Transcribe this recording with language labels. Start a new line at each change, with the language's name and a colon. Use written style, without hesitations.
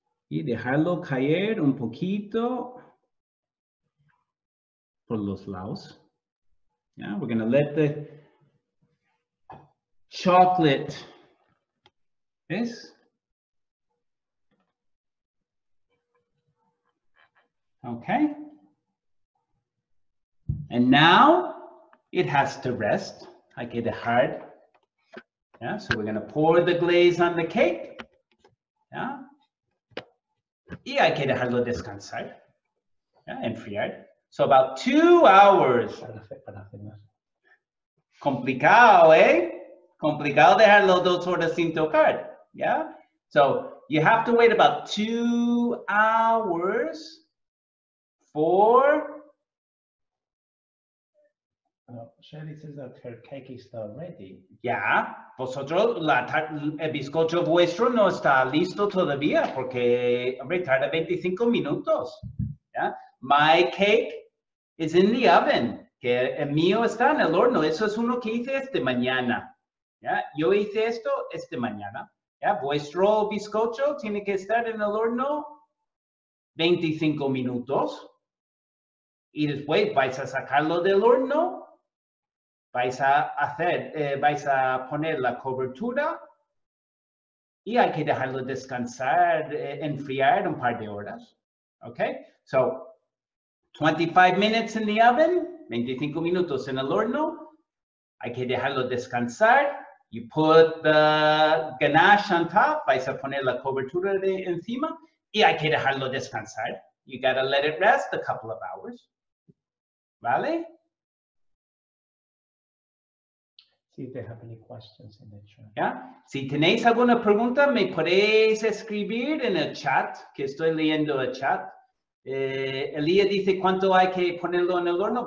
Spanish: Y dejarlo caer un poquito por los lados.
English: Yeah, we're gonna let the chocolate, yes, okay, and now it has to rest. I get it hard. Yeah, so we're gonna pour the glaze on the cake. Yeah.
Spanish: Y hay que dejarlo descansar, yeah, enfriar.
English: So about 2 hours.
Spanish: Complicado, eh? Complicado dejarlo 2 horas sin tocar, yeah?
English: So you have to wait about 2 hours for... Sherry says that her cake is not ready.
Spanish: Yeah, vosotros, el bizcocho vuestro no está listo todavía porque, hombre, tarda 25 minutos.
English: Yeah, my cake is in the oven,
Spanish: que el mío está en el horno. Eso es uno que hice este mañana. Yeah, yo hice esto este mañana. Yeah, vuestro bizcocho tiene que estar en el horno 25 minutos y después vais a sacarlo del horno. Vais a hacer, vais a poner la cobertura y hay que dejarlo descansar, enfriar un par de horas.
English: Okay? So, 25 minutes in the oven,
Spanish: 25 minutos en el horno. Hay que dejarlo descansar.
English: You put the ganache on top.
Spanish: Vais a poner la cobertura de encima y hay que dejarlo descansar.
English: You gotta let it rest a couple of hours.
Spanish: ¿Vale?
English: See if they have any questions in the chat. Yeah.
Spanish: Si tenéis alguna pregunta, me podéis escribir en el chat, que estoy leyendo el chat. Elia dice, ¿cuánto hay que ponerlo en el horno?